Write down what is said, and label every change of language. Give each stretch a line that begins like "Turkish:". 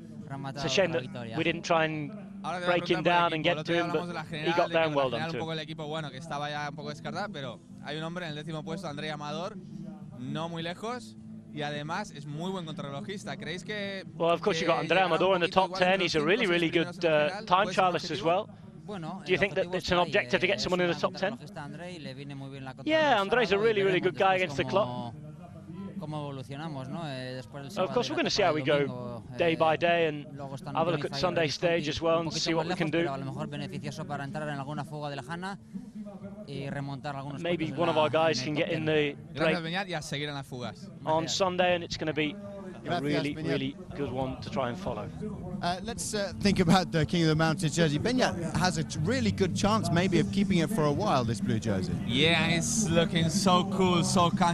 English: It's a shame that we didn't try and break him down and get to him, but he got there and well done to him.
Spanish: Bueno, que estaba ya un poco descartado, pero hay un hombre en el décimo puesto, Andrea Amador, no muy lejos, y además es muy buen contrarrelojista. ¿Creéis que?
English: Well, of course you got Andrea Amador in the top 10. He's a really, really good time trialist as well. Do you think that it's an objective to get someone in the top 10? Yeah, Andrea's a really, really good guy against the clock.
Spanish: Cómo evolucionamos, ¿no? Después del
English: of course, we're going to see how we go day by day and have a look at Sunday stage as well and see what we can do.
Spanish: A lo mejor beneficioso para entrar en alguna fuga de lejana y remontar algunos.
English: Maybe one of our guys can get in the break
Spanish: y a seguir en las fugas
English: on Sunday, and it's going to be a really, really good one to try and follow. Let's think about the King of the Mountains jersey. Beñat has a really good chance maybe of keeping it for a while, this blue jersey. Yeah, he's looking so cool, so calm.